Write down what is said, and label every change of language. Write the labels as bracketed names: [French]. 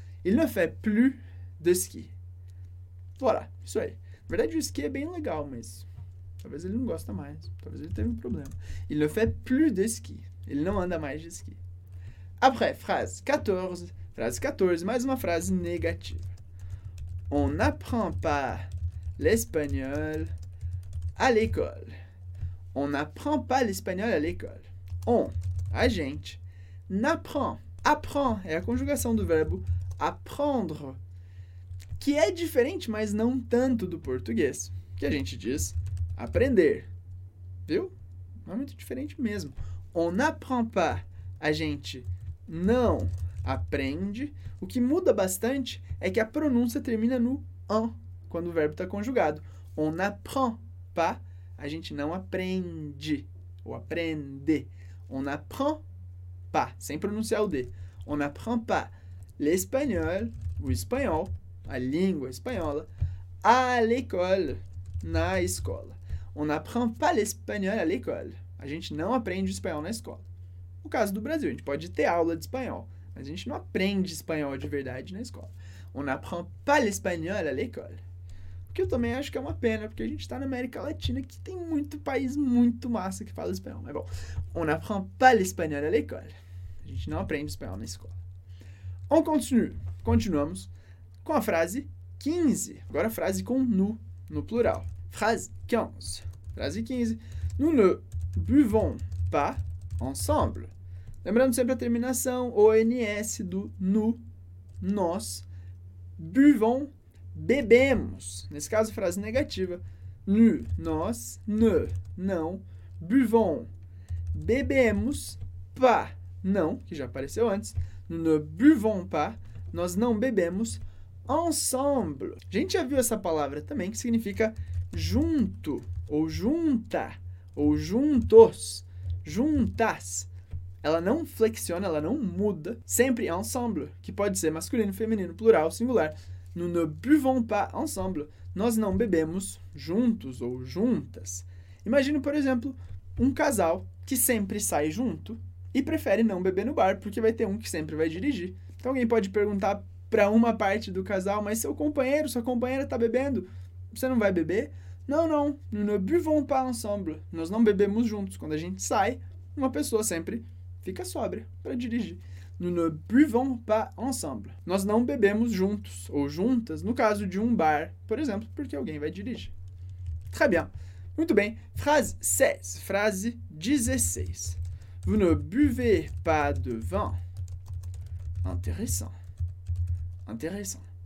[French] Il ne fait plus de ski. Voilà, [Portuguese] isso aí. Na verdade, o esqui é bem legal, mas talvez ele não goste mais. Talvez ele tenha um problema. [French] Il ne fait plus de ski. [Portuguese] Ele não anda mais de ski. [French] Après, phrase 14. [Portuguese] Frase 14, mais uma frase negativa. [French] On n'apprend pas l'espagnol à l'école. On n'apprend pas l'espagnol à l'école. On, [Portuguese] a gente, [French] n'apprend. [Portuguese] Apprend é a conjugação do verbo apprendre. Que é diferente, mas não tanto do português, que a gente diz aprender. Viu? Não é muito diferente mesmo. [French] On n'apprend pas, [Portuguese] a gente não aprende. O que muda bastante é que a pronúncia termina no an, quando o verbo está conjugado. [French] On n'apprend pas, [Portuguese] a gente não aprende, ou aprende. [French] On n'apprend pas, [Portuguese] sem pronunciar o D. [French] On n'apprend pas l'espagnol, [Portuguese] o espanhol. A língua espanhola, [French] à l'école, [Portuguese] na escola. [French] On n'apprend pas l'espagnol à l'école. [Portuguese] A gente não aprende espanhol na escola. No caso do Brasil, a gente pode ter aula de espanhol, mas a gente não aprende espanhol de verdade na escola. [French] On n'apprend pas l'espagnol à l'école. [Portuguese] O que eu também acho que é uma pena, porque a gente está na América Latina, que tem muito país muito massa que fala espanhol. Mas bom, [French] on n'apprend pas l'espagnol à l'école. [Portuguese] A gente não aprende espanhol na escola. [French] On continue. [Portuguese] Continuamos com a frase 15. Agora a frase com nous no plural. [French] Phrase 15. [Portuguese] Frase 15. [French] Nous ne buvons pas ensemble. [Portuguese] Lembrando sempre a terminação ons do nous. Nós buvons, bebemos. Nesse caso, frase negativa. Nous, nós, ne, não, buvons, bebemos, pas, não, que já apareceu antes. [French] Nous ne buvons pas, [Portuguese] nós não bebemos. [French] Ensemble. [Portuguese] A gente já viu essa palavra também, que significa junto, ou junta, ou juntos, juntas. Ela não flexiona, ela não muda. Sempre ensemble, que pode ser masculino, feminino, plural, singular. [French] Nous ne buvons pas ensemble. [Portuguese] Nós não bebemos juntos ou juntas. Imagina, por exemplo, um casal que sempre sai junto e prefere não beber no bar, porque vai ter um que sempre vai dirigir. Então alguém pode perguntar para uma parte do casal, mas seu companheiro, sua companheira está bebendo, você não vai beber? Não, não, [French] nous ne buvons pas ensemble. [Portuguese] Nós não bebemos juntos. Quando a gente sai, uma pessoa sempre fica sóbria para dirigir. [French] Nous ne buvons pas ensemble. [Portuguese] Nós não bebemos juntos ou juntas, no caso de um bar, por exemplo, porque alguém vai dirigir. [French] Très bien. [Portuguese] Muito bem. [French] Phrase 16. [Portuguese] Frase 16. [French] Vous ne buvez pas de vin. Intéressant. [Portuguese] Interessante.